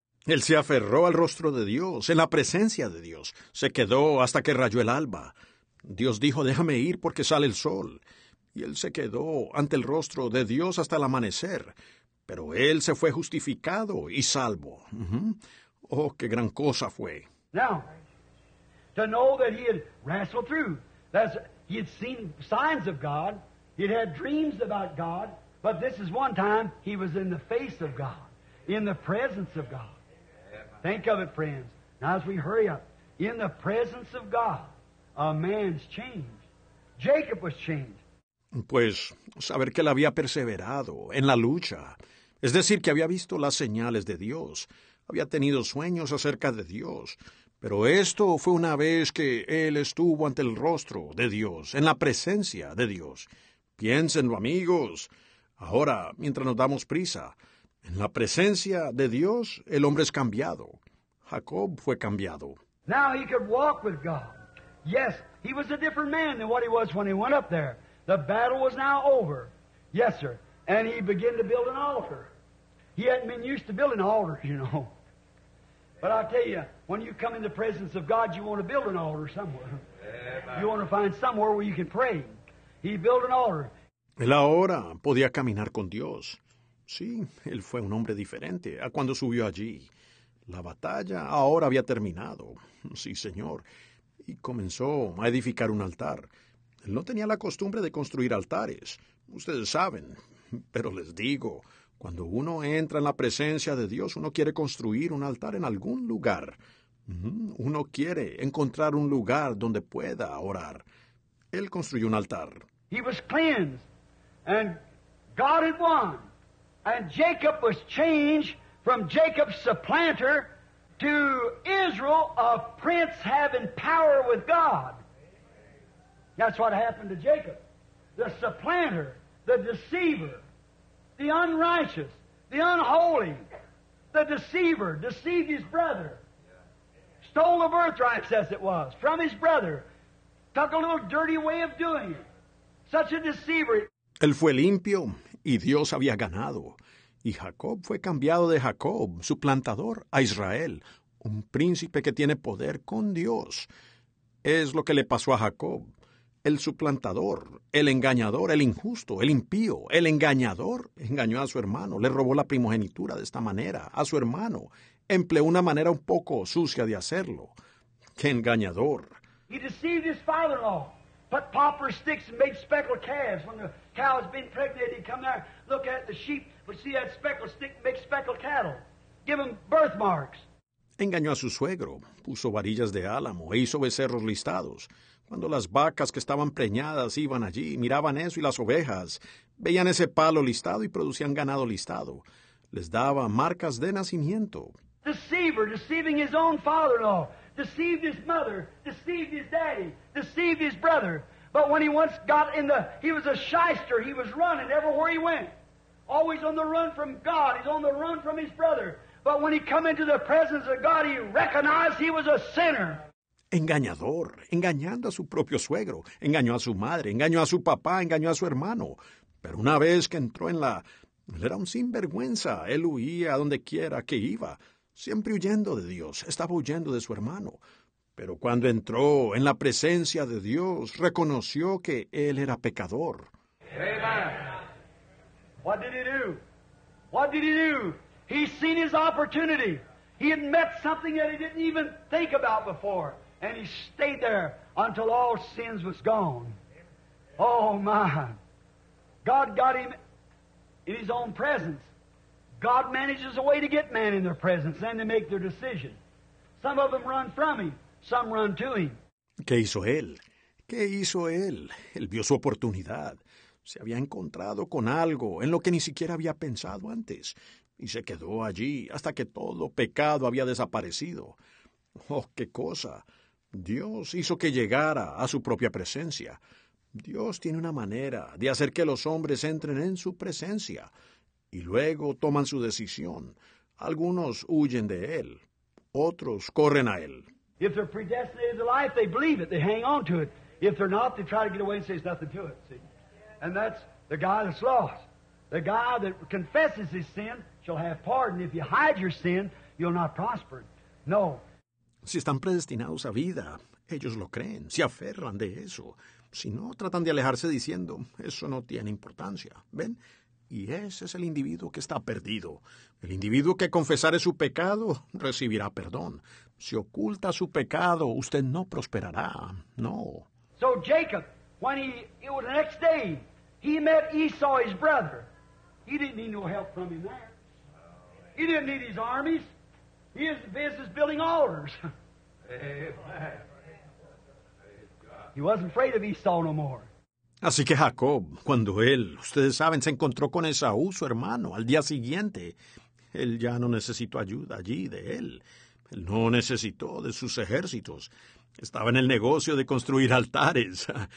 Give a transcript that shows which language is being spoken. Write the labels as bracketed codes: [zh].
[es] Él se aferró al rostro de Dios, en la presencia de Dios. Se quedó hasta que rayó el alba. Dios dijo, déjame ir porque sale el sol. Y él se quedó ante el rostro de Dios hasta el amanecer. Pero él se fue justificado y salvo. Oh, qué gran cosa fue. [en] Now, to know that he had wrestled through, that he had seen signs of God, he had had dreams about God, but this is one time he was in the face of God, in the presence of God. Think of it, friends. Now, as we hurry up, in the presence of God, a man's changed. Jacob was changed. [es] Pues, saber que él había perseverado en la lucha, es decir, que había visto las señales de Dios, había tenido sueños acerca de Dios, pero esto fue una vez que él estuvo ante el rostro de Dios, en la presencia de Dios. Piénsenlo, amigos. Ahora, mientras nos damos prisa, en la presencia de Dios, el hombre es cambiado. Jacob fue cambiado. [en] Now he could walk with God. Yes, he was a different man than what he was when he went up there. The battle was now over. Yes, sir. And he began to build an altar. He hadn't been used to building altars, you know. But I tell you, when you come in the presence of God, you want to build an altar somewhere. You want to find somewhere where you can pray. He built an altar. [es] Él ahora podía caminar con Dios. Sí, él fue un hombre diferente a cuando subió allí. La batalla ahora había terminado. Sí, señor. Y comenzó a edificar un altar. Él no tenía la costumbre de construir altares. Ustedes saben. Pero les digo, cuando uno entra en la presencia de Dios, uno quiere construir un altar en algún lugar. Uno quiere encontrar un lugar donde pueda orar. Él construyó un altar. [en] He was cleansed, and God had won. And Jacob was changed from Jacob's supplanter to Israel, a prince having power with God. That's what happened to Jacob. The supplanter, the deceiver, the unrighteous, the unholy, the deceiver, deceived his brother. Stole the birthrights, as it was, from his brother. Took a little dirty way of doing it. Such a deceiver. [es] Él fue limpio y Dios había ganado. Y Jacob fue cambiado de Jacob, su plantador, a Israel, un príncipe que tiene poder con Dios. Es lo que le pasó a Jacob, el suplantador, el engañador, el injusto, el impío, el engañador. Engañó a su hermano, le robó la primogenitura de esta manera, a su hermano. Empleó una manera un poco sucia de hacerlo. ¡Qué engañador! [en] He deceived his father-in-law. Put pauper sticks and made speckled calves. When the cow has been pregnant, he'd come there, look at the sheep, but see that speckled stick and make speckled cattle. Give them birthmarks. [es] Engañó a su suegro, puso varillas de álamo e hizo becerros listados. Cuando las vacas que estaban preñadas iban allí, miraban eso y las ovejas, veían ese palo listado y producían ganado listado. Les daba marcas de nacimiento. [en] Deceiver, deceiving his own father-in-law. Deceived his mother, deceived his daddy, deceived his brother. But when he once got in the, he was a shyster, he was running everywhere he went. Always on the run from God, he's on the run from his brother. But when he come into the presence of God, he recognized he was a sinner. [es] Engañador, engañando a su propio suegro, engañó a su madre, engañó a su papá, engañó a su hermano. Pero una vez que entró en la, él era un sinvergüenza, él huía a donde quiera que iba. Siempre huyendo de Dios, estaba huyendo de su hermano. Pero cuando entró en la presencia de Dios, reconoció que él era pecador. [en] Amen. What did he do? What did he do? He seen his opportunity. He had met something that he didn't even think about before. And he stayed there until all sins was gone. Oh, my. God got him in his own presence. God manages a way to get man in their presence and to make their decision. Some of them run from him, some run to him. [es] ¿Qué hizo él? ¿Qué hizo él? Él vio su oportunidad. Se había encontrado con algo en lo que ni siquiera había pensado antes. Y se quedó allí hasta que todo pecado había desaparecido. ¡Oh, qué cosa! Dios hizo que llegara a su propia presencia. Dios tiene una manera de hacer que los hombres entren en su presencia. y luego toman su decisión. Algunos huyen de él, otros corren a él. [en] If they're predestinated to life, they believe it, they hang on to it. If they're not, they try to get away and say there's nothing to it, see? And that's the guy that's lost. The guy that confesses his sin shall have pardon. If you hide your sin, you'll not prosper. No. [es] Si están predestinados a vida, ellos lo creen, se aferran de eso. Si no, tratan de alejarse diciendo, eso no tiene importancia. ¿Ven? Y ese es el individuo que está perdido. El individuo que confesare su pecado recibirá perdón. Si oculta su pecado, usted no prosperará. No. [en] So Jacob, when it was the next day, he met Esau, his brother. He didn't need no help from him there. He didn't need his armies. He is the business building altars. He wasn't afraid of Esau no more. [es] Así que Jacob, cuando él, ustedes saben, se encontró con Esaú, su hermano, al día siguiente, él ya no necesitó ayuda allí de él. Él no necesitó de sus ejércitos. Estaba en el negocio de construir altares.